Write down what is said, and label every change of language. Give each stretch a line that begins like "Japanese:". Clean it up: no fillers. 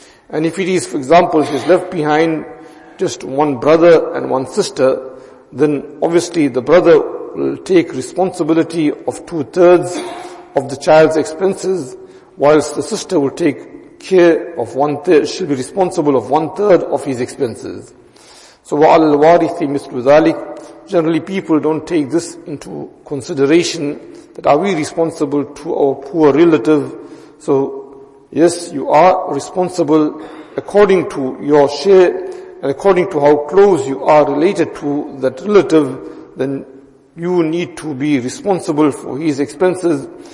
English: And if it is, for example, he has left behind just one brother and one sister, then obviously the brother will take responsibility of 2/3 of the child's expenses, whilst the sister will take care of 1/3, she'll be responsible of 1/3 of his expenses.
Arabic: So وَعَلَى الْوَارِثِ مِثْلُ ذَلِكَ.
English: Generally people don't take this into consideration, that are we responsible to our poor relative? So yes, you are responsible according to your share and according to how close you are related to that relative, then you need to be responsible for his expenses.